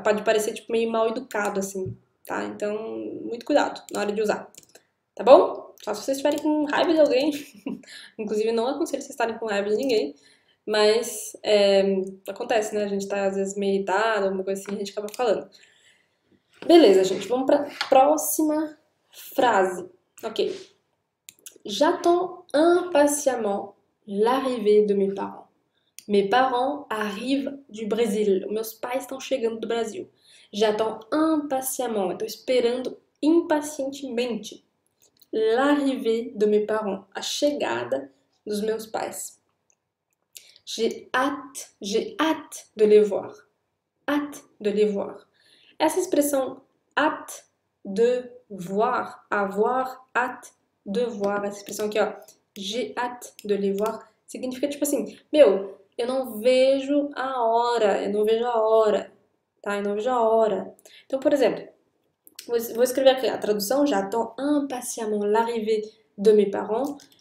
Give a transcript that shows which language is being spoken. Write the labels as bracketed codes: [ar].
[pt] Pode parecer, tipo, meio mal educado, assim, tá? Então, muito cuidado na hora de usar. Tá bom? Só se vocês estiverem com raiva de alguém. Inclusive, não aconselho vocês estarem com raiva de ninguém. Mas acontece, né? A gente tá às vezes meio irritado, alguma coisa assim, a gente acaba falando. Beleza, gente. Vamos pra próxima frase. Ok. [fr] J'attends impatiemment l'arrivée de mes parents. Mes parents arrivent du Brésil. [pt] Meus pais estão chegando do Brasil. [fr] J'attends impatiemment. [pt] Eu tô esperando impacientemente. [fr] L'arrivée de mes parents, [pt] a chegada dos meus pais. [fr] J'ai hâte de les voir. Hâte de les voir. [pt] Essa expressão hâte de voir, [fr] avoir hâte de voir, [pt] essa expressão aqui, ó, [fr] j'ai hâte de les voir, [pt] significa tipo assim, meu, eu não vejo a hora, eu não vejo a hora, tá? Eu não vejo a hora. Então, por exemplo, vou escrever aqui a tradução. [fr] J'attends impatiemment l'arrivée de mes parents.